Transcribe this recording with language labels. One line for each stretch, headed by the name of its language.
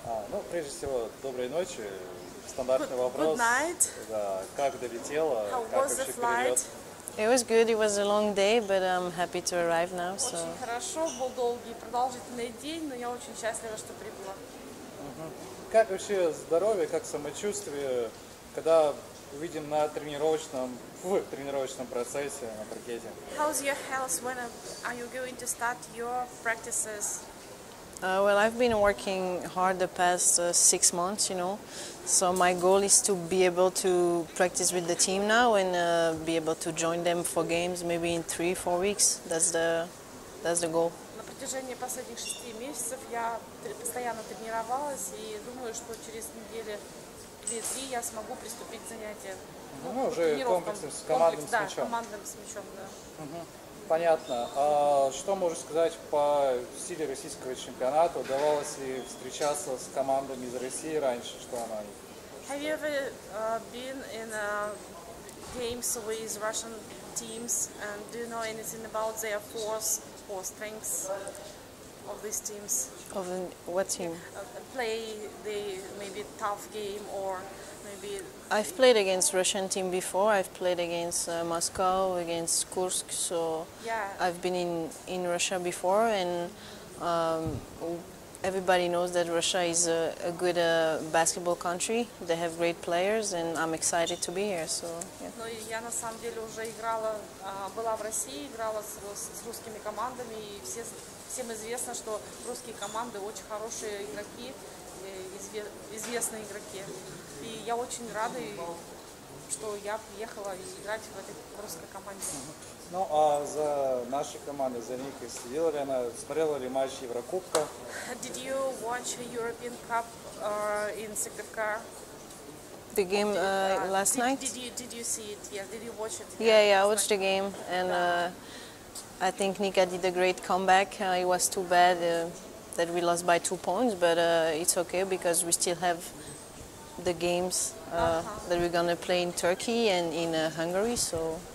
Russian: Ну, прежде всего, доброй ночи. Стандартный вопрос.
English: Good night.
Russian: Да, как долетело?
English: How
Russian: как
English: was the flight? Перелет? It was good. It was a long day, but I'm happy to arrive now. So.
Russian: Очень хорошо, был долгий, продолжительный день, но я очень счастлива, что прибыла. Как вообще здоровье, как самочувствие, когда увидим на тренировочном процессе на паркете?
English: How's your health? When are you going to start your practices? Well, I've been working hard the past 6 months, you know. So my goal is to be able to practice with the team now and be able to join them for games maybe in 3-4 weeks. That's the goal.
Russian: На протяжении последних 6 месяцев я постоянно тренировалась и думаю, что через неделю-две я смогу приступить к занятиям. Ну, уже командным с мячом, да. Понятно. А что можешь сказать по силе российского чемпионата? Удавалось ли встречаться с командами из России раньше, что она?
English: Have you ever been in games with Russian teams? And do you know anything about their force or strengths of these teams? Of what team? Play the maybe tough game or maybe. I've played against Russian team before. I've played against Moscow, against Kursk. So yeah. I've been in Russia before, and everybody knows that Russia is a good basketball country. They have great players, and I'm excited to be here. So yeah.
Russian: Ну, я на самом деле уже играла, была в России, играла с русскими командами, и всем известно, что русские команды очень хорошие игроки, известные игроки. И я очень рада, что я приехала играть в этой русской команде. Ну, а за нашей командой, за Никой, следила ли она, смотрела ли матч Еврокубка?
English: Did you watch European Cup in Sigdekar? The game last night? Did you see it? Yeah, did you watch it? Yeah, yeah, I watched the game. And I think Nika did a great comeback. It was too bad that we lost by 2 points, but it's okay because we still have the games that we're gonna play in Turkey and in Hungary, so.